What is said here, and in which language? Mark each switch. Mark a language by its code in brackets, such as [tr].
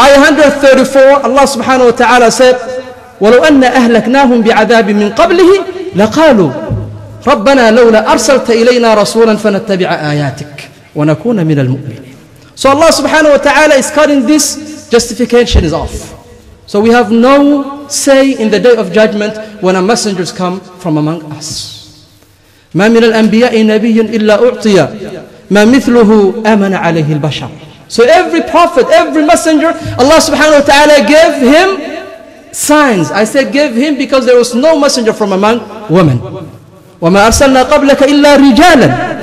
[ar] آية 134 الله سبحانه وتعالى said ولو أن أهلكناهم بعذاب من قبله لقالوا ربنا لولا أرسلت إلينا رسولا فنتبع آياتك ونكون من المؤمنين. [en] So Allah subhanahu wa ta'ala is cutting this justification is off. So we have no say in the day of judgment when our messengers come from among us. [ar] ما من الأنبياء نبي إلا أعطي ما مثله آمن عليه البشر. [en] So every prophet, every messenger, Allah subhanahu wa ta'ala gave him signs. I said gave him because there was no messenger from among women. [ar] وما أرسلنا قبلك إلا رجالا.